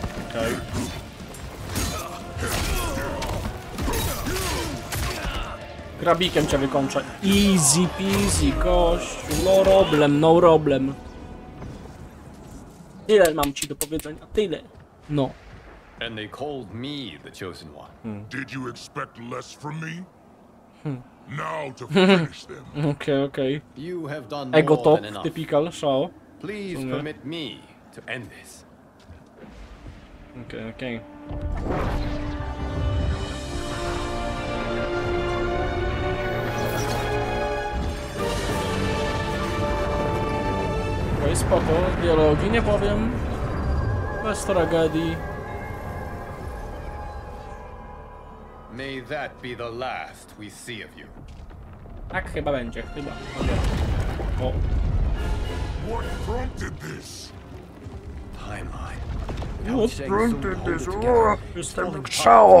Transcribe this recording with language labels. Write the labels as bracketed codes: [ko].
[pl] Okej. Grabikiem cię wykończę. [en] Easy peasy, [pl] kościu. [en] No problem. [pl] Tyle mam ci do powiedzenia, tyle. No. [en] And they called me the chosen one. Did you expect less from me? Now to finish them. Okay. You have done more than enough. Typical show. Please permit me to end this. Okay. [pl] To jest spoko, dialogi nie powiem. Bez tragedii. [en] May that be the last we see of you. [pl] Tak chyba będzie, chyba. O. [en] What prompted this? Timeline. What prompted this? [pl] Jestem ciało.